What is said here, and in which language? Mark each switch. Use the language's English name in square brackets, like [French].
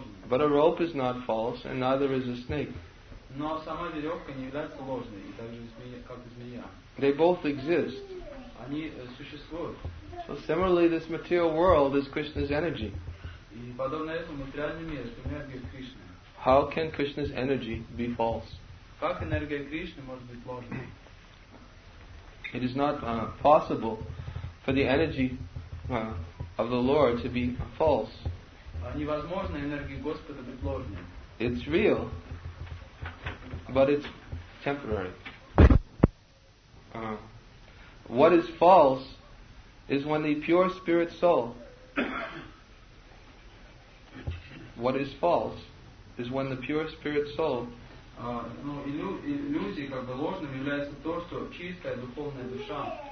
[English] But a rope is not false, and neither is a snake. [Russian] Но сама веревка не является ложной, и также змея, как змея. [English] They both exist. [Russian] Они существуют. [English] So similarly, this material world is Krishna's energy. [Russian] И подобно этому материальный мир — это энергия Кришны. [English] How can Krishna's energy be false? [Russian] Как энергия Кришны может быть ложной? [English] It is not possible for the energy of the Lord to be false. [Russian] Невозможно энергии Господа быть ложной. [English] It's real, but it's temporary. What is false is when the pure spirit soul. What is false is when the pure spirit soul. [Russian] Иллюзией, как бы ложным, является то, что чистая духовная душа